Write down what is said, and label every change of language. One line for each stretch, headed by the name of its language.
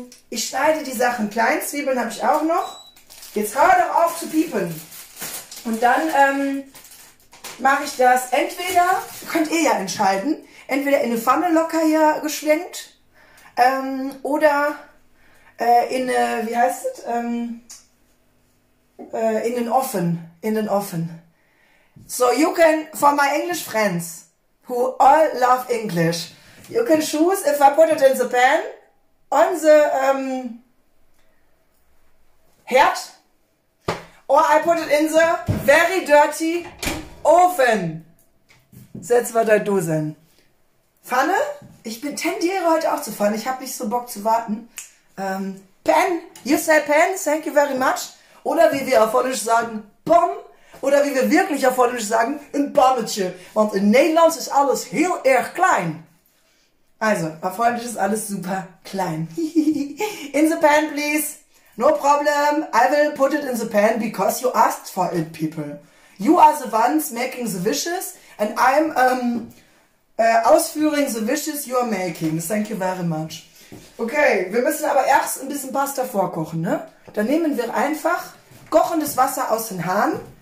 German: Ich schneide die Sachen klein. Zwiebeln habe ich auch noch. Jetzt hör doch auf zu piepen. Und dann... mache ich das entweder, könnt ihr ja entscheiden, entweder in eine Pfanne locker hier geschwenkt oder in eine, wie heißt es, in den Ofen, in den Ofen.
English: So, you can, for my English friends, who all love English, you can choose if I put it in the pan, on the Herd, or I put it in the very dirty Ofen.
German: Setz mal da Dosen. Pfanne? Ich bin tendiere heute auch zu Pfanne. Ich habe nicht so Bock zu warten. Pen.
English: You say pen. Thank you very much.
German: Oder wie wir auf Holländisch sagen, pom. Oder wie wir wirklich auf Holländisch sagen, ein Pommetje.
Dutch: Want in Nederlands ist alles heel erg klein.
German: Also, auf Holländisch ist alles super klein.
English: In the pan, please. No problem. I will put it in the pan because you asked for it, people. You are the ones making the wishes and I'm ausführing the wishes you are making. Thank you very much.
German: Okay, wir müssen aber erst ein bisschen Pasta vorkochen, ne? Dann nehmen wir einfach kochendes Wasser aus den Hahn.